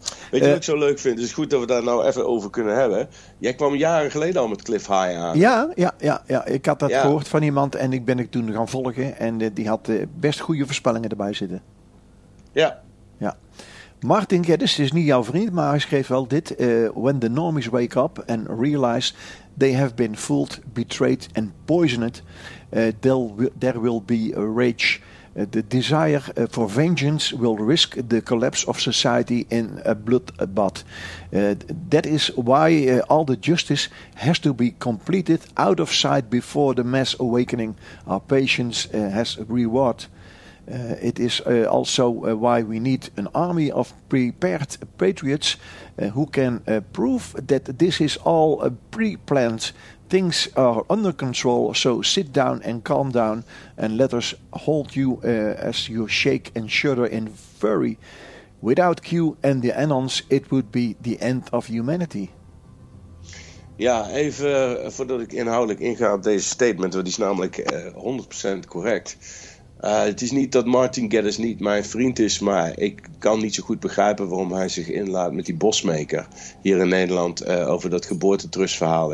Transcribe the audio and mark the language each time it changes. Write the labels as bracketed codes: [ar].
[nl] Weet je wat ik zo leuk vind? Het is goed dat we daar nou even over kunnen hebben. Jij kwam jaren geleden al met Cliff High aan. Ja. Ik had dat gehoord van iemand en ik ben het toen gaan volgen. En die had best goede voorspellingen erbij zitten. Ja. Ja. Martin Geddes is niet jouw vriend, maar hij schreef wel dit. [en] When the normies wake up and realize they have been fooled, betrayed and poisoned, there will be a rage. The desire for vengeance will risk the collapse of society in a bloodbath. That is why all the justice has to be completed out of sight before the mass awakening. Our patience has a reward. It is also why we need an army of prepared patriots who can prove that this is all pre-planned. Things are under control, so sit down and calm down and let us hold you as you shake and shudder in fury. Without Q and the Anons, it would be the end of humanity. [nl] Ja, even voordat ik inhoudelijk inga op deze statement, want die is namelijk 100% correct. Het is niet dat Martin Geddes niet mijn vriend is, maar ik kan niet zo goed begrijpen waarom hij zich inlaat met die bosmaker hier in Nederland over dat geboortetrustverhaal.